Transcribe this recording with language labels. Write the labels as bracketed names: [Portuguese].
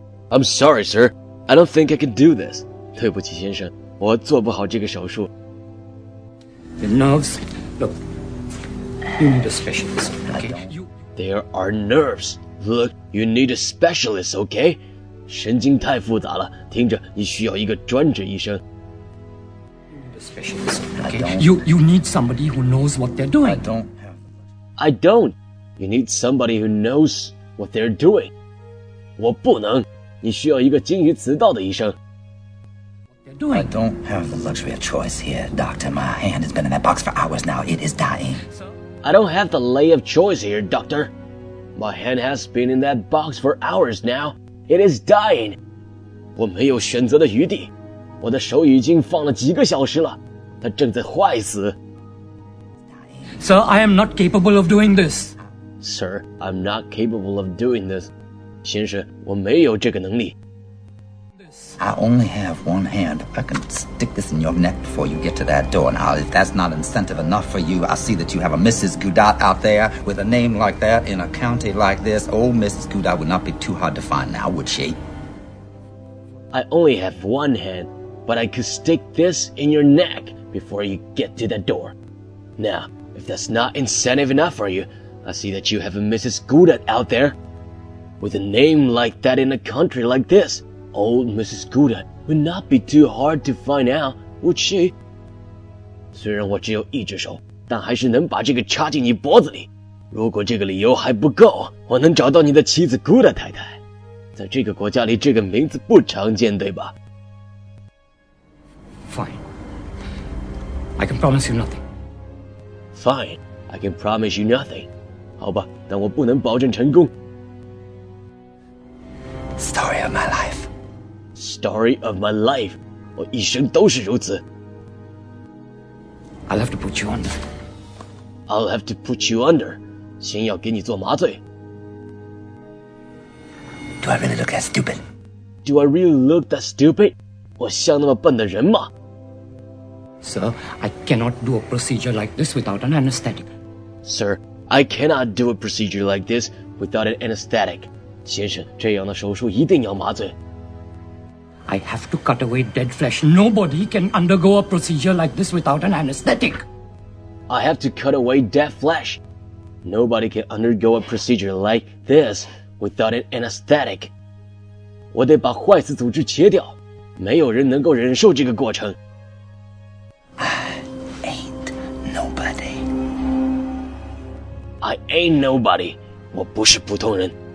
[English] I'm sorry, sir. I don't think I can do this. [Chinese] 对不起，先生。我做不好这个手术。 [English] The nerves, look, you need a specialist, okay? There are nerves. Look, you need a specialist, okay? [Chinese] 神经太复杂了，听着，你需要一个专职医生。 [English] You need a specialist, okay? You need somebody who knows what they're doing. I don't. You need somebody who knows what they're doing. [Chinese] 我不能，你需要一个精于此道的医生。 [English] I don't have the luxury of choice here, Doctor. My hand has been in that box for hours now. It is dying. I don't have the lay of choice here, Doctor. My hand has been in that box for hours now. It is dying. [Chinese] 我没有选择的余地。我的手已经放了几个小时了。它正在坏死。 [English] Sir, I am not capable of doing this. Sir, I'm not capable of doing this. [Chinese] 先生，我没有这个能力。 [English] I only have one hand. I can stick this in your neck before you get to that door. Now, if that's not incentive enough for you, I see that you have a Mrs. Goudat out there with a name like that in a county like this. Old Mrs. Goudat would not be too hard to find now, would she? I only have one hand, but I could stick this in your neck before you get to that door. Now, if that's not incentive enough for you, I see that you have a Mrs. Goudat out there with a name like that in a country like this. Old Mrs. Gouda would not be too hard to find out, would she? [Chinese] 虽然我只有一只手，但还是能把这个插进你脖子里。如果这个理由还不够，我能找到你的妻子 Gouda 太太。在这个国家里，这个名字不常见，对吧？ [English] Fine. I can promise you nothing. Fine. I can promise you nothing. [Chinese] 好吧，但我不能保证成功。 [English] Story of my life. Story of my life. [Chinese] 我一生都是如此。 [English] I'll have to put you under. I'll have to put you under. [Chinese] 先要给你做麻醉。 [English] Do I really look that stupid? Do I really look that stupid? [Chinese] 我像那么笨的人吗？ [English] Sir, I cannot do a procedure like this without an anesthetic. Sir, I cannot do a procedure like this without an anesthetic. [Chinese] 先生，这样的手术一定要麻醉。 [English] I have to cut away dead flesh. Nobody can undergo a procedure like this without an anesthetic. I have to cut away dead flesh. Nobody can undergo a procedure like this without an anesthetic. [Chinese] 我得把坏死组织切掉。没有人能够忍受这个过程。 [English] I ain't nobody. [Chinese] 我不是普通人。